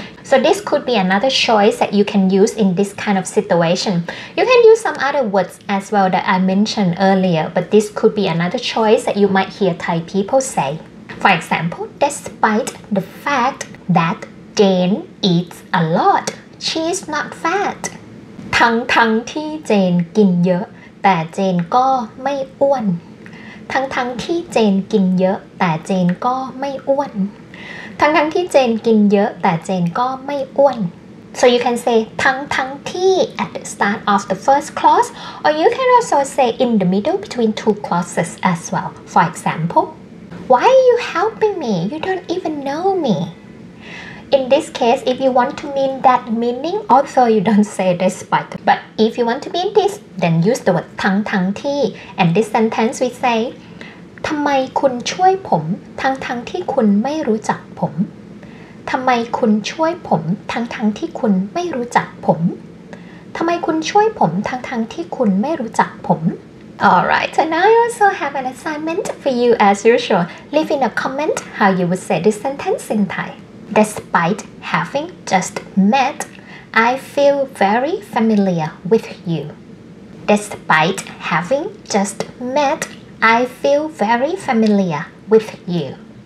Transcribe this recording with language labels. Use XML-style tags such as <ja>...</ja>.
<en>So this could be another choice that you can use in this kind of situation. You can use some other words as well that I mentioned earlier, but this could be another choice that you might hear Thai people say. For example, despite the fact that Jane eats a lot, she's not fat.</en> <th>ทั้งที่เจนกินเยอะแต่เจนก็ไม่อ้วนทั้งที่เจนกินเยอะแต่เจนก็ไม่อ้วนทั้งที่เจนกินเยอะแต่เจนก็ไม่อ้วน</th> <en>So you can say ทั้งที่ at the start of the first clause or you can also say in the middle between two clauses as well. For example, why are you helping me? You don't even know me. In this case, if you want to mean that meaning, also you don't say despite. But if you want to mean this, then use the word ทั้งที่ and this sentence we say,</en> <th>ทำไมคุณช่วยผมทั้งที่คุณไม่รู้จักผมทำไมคุณช่วยผมทั้งที่คุณไม่รู้จักผมทำไมคุณช่วยผมทั้งที่คุณไม่รู้จักผม</th> <en>Alright, so now I also have an assignment for you as usual. Leave in a comment how you would say this sentence in Thai. Despite having just met, I feel very familiar with you. Despite having just met,I feel very familiar with you.</en>